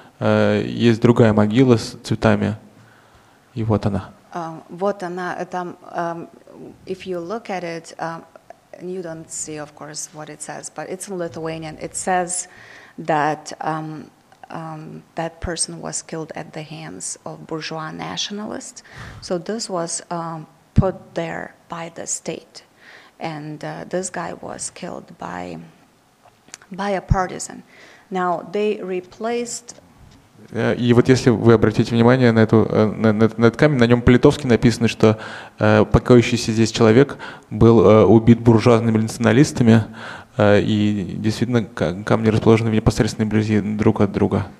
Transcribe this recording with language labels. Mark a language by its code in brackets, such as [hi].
[ru] есть другая могила с цветами, и вот она. Вот она. Там, [en] if you look at it, you don't see, of course, what it says, but it's in Lithuanian. It says that that person was killed at the hands of bourgeois nationalists. So this was put there by the state, and this guy was killed by a partisan. Now they replaced. [ru] И вот если вы обратите внимание на, эту, на этот камень, на нем по-литовски написано, что покоящийся здесь человек был убит буржуазными националистами, и действительно камни расположены в непосредственной близи друг от друга.